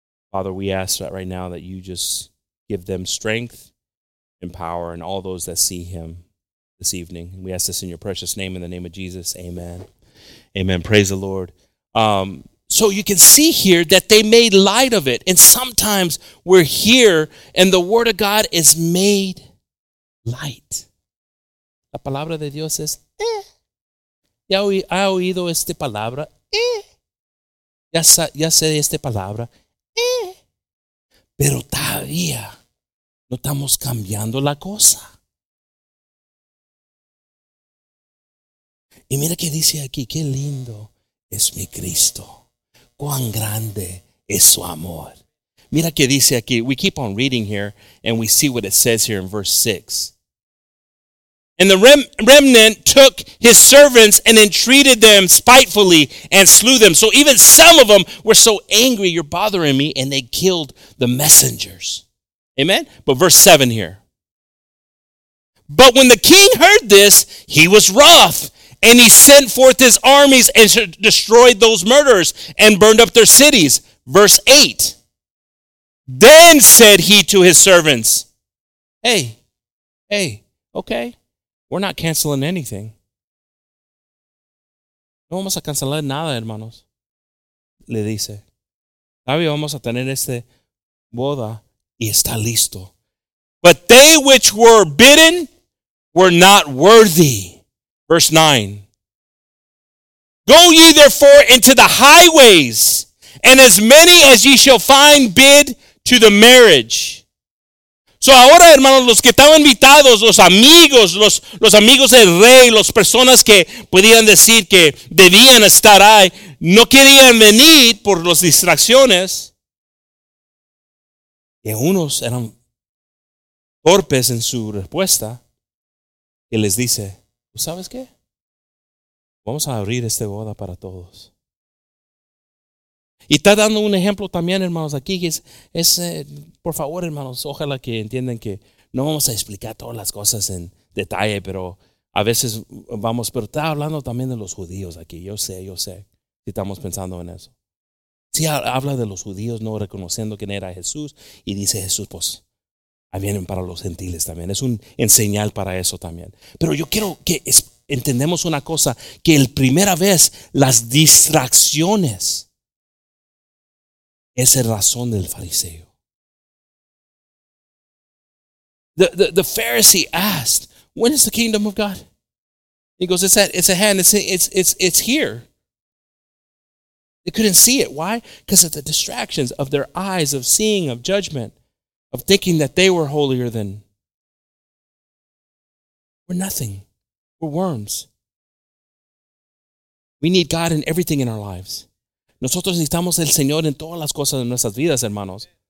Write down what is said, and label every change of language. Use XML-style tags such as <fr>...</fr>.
<en>Father, we ask that right now, that you just give them strength and power and all those that see him this evening. And we ask this in your precious name, in the name of Jesus. Amen. Amen. Praise the Lord. So you can see here that they made light of it. And sometimes we're here and the word of God is made light.</en> <es>La palabra de Dios es, Ya he oído esta palabra, Ya sé esta palabra, Pero todavía no estamos cambiando la cosa. Y mira qué dice aquí, qué lindo es mi Cristo. Cuán grande es su amor. Mira que dice aquí.</es> <en>We keep on reading here, and we see what it says here in verse 6. And the remnant took his servants and entreated them spitefully and slew them. So even some of them were so angry, you're bothering me, and they killed the messengers. Amen? But verse 7 here. But when the king heard this, he was wroth. And he sent forth his armies and destroyed those murderers and burned up their cities. Verse 8. Then said he to his servants, Hey, okay, we're not canceling anything.</en> <es>No vamos a cancelar nada, hermanos. Le dice. Todavía vamos a tener esta boda y está listo.</es> <en>But they which were bidden were not worthy. Verse 9. Go ye therefore into the highways, and as many as ye shall find, bid to the marriage.</en> <es>So ahora, hermanos, los que estaban invitados, los amigos, los amigos del rey, las personas que podían decir que debían estar ahí, no querían venir por las distracciones. Y unos eran torpes en su respuesta, y les dice, ¿sabes qué? Vamos a abrir esta boda para todos. Y está dando un ejemplo también, hermanos, aquí. Por favor, hermanos, ojalá que entiendan que no vamos a explicar todas las cosas en detalle, pero a veces vamos, pero está hablando también de los judíos aquí. Yo sé, si estamos pensando en eso. Sí, habla de los judíos no reconociendo quién era Jesús. Y dice Jesús, pues, vienen para los gentiles también. Es un enseñal para eso también. Pero yo quiero que entendamos una cosa, que la primera vez las distracciones es la razón del fariseo.</es> <en>The Pharisee asked, "When is the kingdom of God?" He goes, it's here. They couldn't see it. Why? Because of the distractions of their eyes, of seeing, of judgment, of thinking that they were holier than. We're nothing. We're worms. We need God in everything in our lives.</en> <es>Nosotros necesitamos el Señor en todas las cosas de nuestras vidas, hermanos.</es>